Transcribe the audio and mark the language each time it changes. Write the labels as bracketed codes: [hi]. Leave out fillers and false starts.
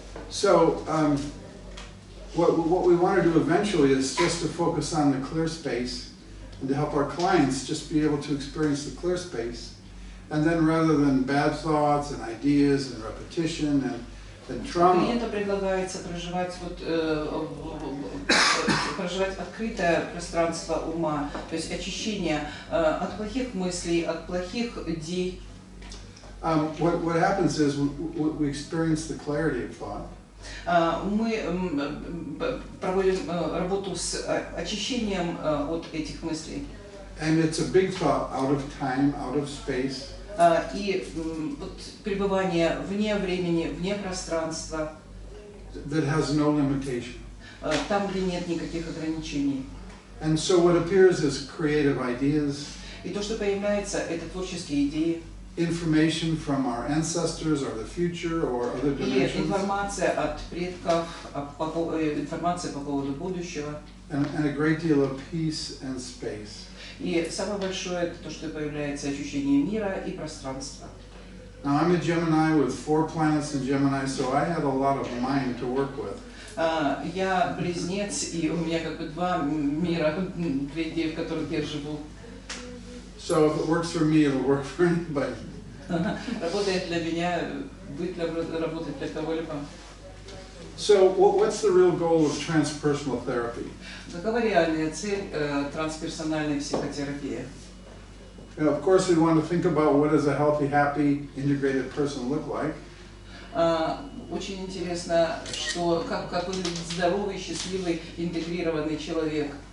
[en] So, what we want to do eventually is just to focus on the clear space and to help our clients just be able to experience the clear space. And then rather than bad thoughts and ideas and repetition and trauma... [ru] Клиенту предлагается проживать открытое пространство ума, то есть очищение от плохих мыслей, от плохих идей. [en] What happens is we experience the clarity of thought. [ru] Мы проводим работу с очищением от этих мыслей. [en] And it's a big thought out of time, out of space. [ru] И вот пребывание вне времени, вне пространства. [en] That has no limitation. [ru] Там, где нет никаких ограничений. [en] And so what appears is creative ideas. [ru] И то, что появляется, это творческие идеи. [en] Information from our ancestors or the future or other dimensions. [ru] И информация от предков, информация по поводу будущего. [en] And a great deal of peace and space. [ru] И самое большое это то, что появляется ощущение мира и пространства. [en] Now I'm a Gemini with four planets in Gemini, so I have a lot of mind to work with. [ru] Я близнец, и у меня как бы два мира, две идеи, в которых я живу. [en] So if it works for me, it'll work for anybody. [ru] Работает для меня, будет работать для кого-либо. [en] So what's the real goal of transpersonal therapy? [ru] Какова реальная цель трансперсональной психотерапии? [en] Of course, we want to think about what does a healthy, happy, integrated person look like. [ru] Очень интересно, что как выглядит здоровый, счастливый, интегрированный человек?